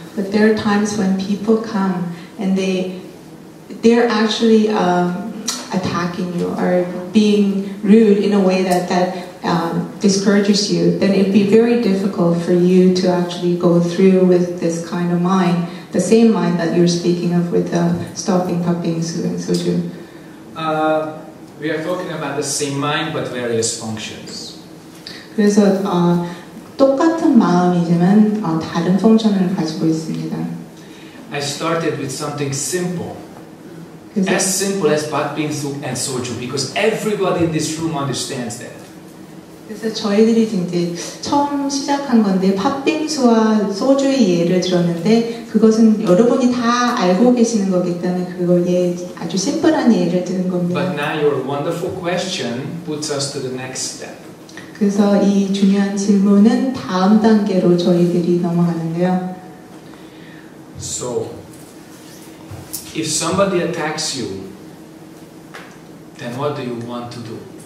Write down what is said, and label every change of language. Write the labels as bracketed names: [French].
[English] But there are times when people come and they're actually attacking you or being rude in a way that discourages you. Then it'd be very difficult for you to actually go through with this kind of mind, the same mind that you're speaking of with the stopping popping suing soju. We are talking about the same mind but various functions. [Korean] 그래서 똑같은 마음이지만 다른 펑션을 가지고 있습니다. [English] I started with something simple. As simple as Bak Bing Suk and Soju, because everybody in this room understands that. [Korean] 그래서 저희들이 이제 처음 시작한 건데 팥빙수와 소주의 예를 들었는데 그것은 여러분이 다 알고 계시는 거기 때문에 그거에 아주 심플한 예를 드는 겁니다. [English] But now your wonderful question puts us to the next step. [Korean] 그래서 이 중요한 질문은 다음 단계로 저희들이 넘어가는데요. [English] So, if somebody attacks you, then what do you want to do?